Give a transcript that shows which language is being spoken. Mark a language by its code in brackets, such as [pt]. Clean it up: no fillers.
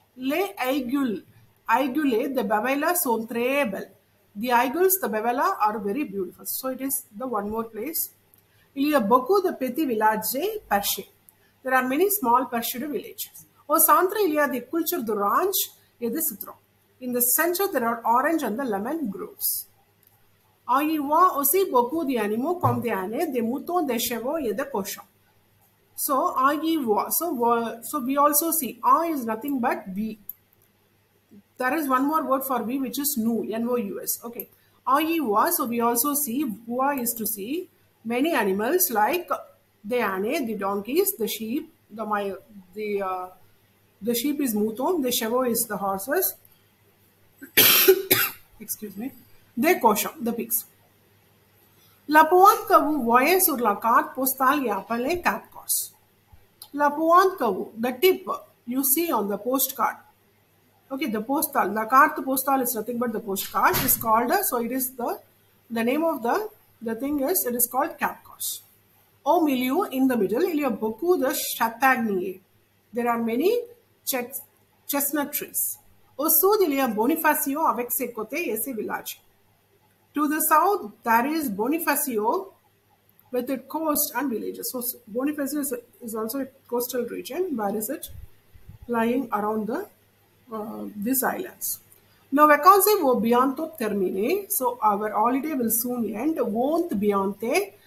[fr] Les aigules, the bavela sont très belles. [en] The aigules, the bavela are very beautiful. So it is the one more place. [fr] Il y a beaucoup de petits villages perchés. [en] There are many small perched villages. [fr] Au centre, il y a des cultures d'orange et de citron. [en] In the center, there are orange and the lemon groves. [fr] On y voit aussi beaucoup d'animaux comme des ânes, des moutons, des chevaux et des cochons. [en] So, [fr] on y voit. [en] So, we also see. On is nothing but we. There is one more word for we which is nous, N-O-U-S. Okay. [fr] On y voit. [en] So, we also see. Voir is to see. Many animals like the ânes, the donkeys, the sheep. The sheep is mouton. The chevaux is the horses. Excuse me. [fr] Des cochons, [en] the pigs. [fr] La pointe que vous voyez sur la carte postale est appelée Cap Corse. La pointe que vous, [en] the tip you see on the postcard. Okay, the postal, [fr] la carte postale [en] is nothing but the postcard. It is called, so it is the name of the thing is, it is called Cap Corse. [fr] Au milieu, [en] in the middle, [fr] il y a beaucoup de châtaigniers. [en] There are many chestnut trees. [fr] Au sud, il y a Bonifacio avec ses côtés et ses villages. [en] To the south, there is Bonifacio with its coast and villages. So, Bonifacio is also a coastal region. Where is it? Lying around these islands. [fr] Nos vacances vont bientôt terminer. [en] So, our holiday will soon end. [fr] Vont bientôt